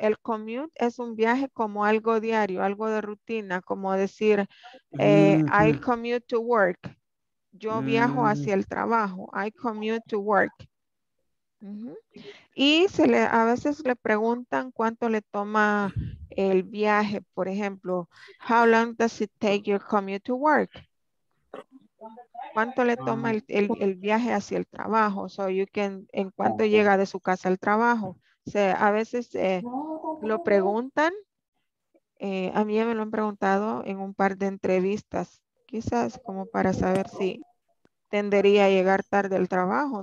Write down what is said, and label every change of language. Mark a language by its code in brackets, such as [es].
[es] El commute es un viaje como algo diario, algo de rutina, como decir, [en] I commute to work. [es] Yo viajo hacia el trabajo. [en] I commute to work. [es] Uh-huh. Y a veces le preguntan cuánto le toma el viaje, por ejemplo. [en] How long does it take your commute to work? [es] ¿Cuánto le toma el viaje hacia el trabajo? [en] So you can, [es] ¿en cuánto llega de su casa al trabajo? A veces lo preguntan. A mí me lo han preguntado en un par de entrevistas. Quizás como para saber si tendería a llegar tarde al trabajo.